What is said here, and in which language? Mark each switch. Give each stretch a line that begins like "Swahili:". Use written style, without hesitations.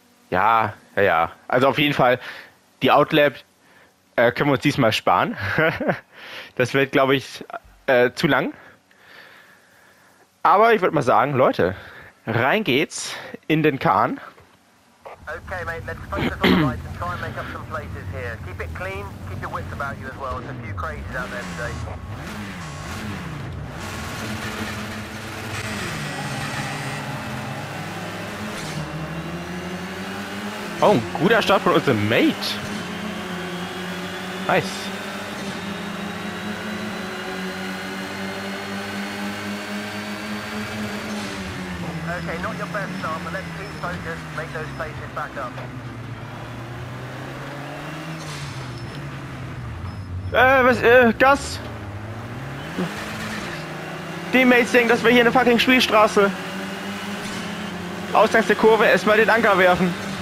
German: Ja, ja, ja. Also auf jeden Fall, die Outlap können wir uns diesmal sparen. Das wird, glaube ich, zu lang. Aber ich würde mal sagen, Leute, rein geht's in den Kahn.
English: Okay, mate, let's focus on the lights and try and make up some places here. Keep it clean, keep your wits about you as well. There's a few crazies out there today.
German: Oh, ein guter Start von unserem Mate.
English: Nice. Okay, not your best start, but let's keep focused. Make those places back up.
German: Gas! Die Mates denken, dass wir hier eine fucking Spielstraße. Ausgangs der Kurve, erstmal den Anker werfen.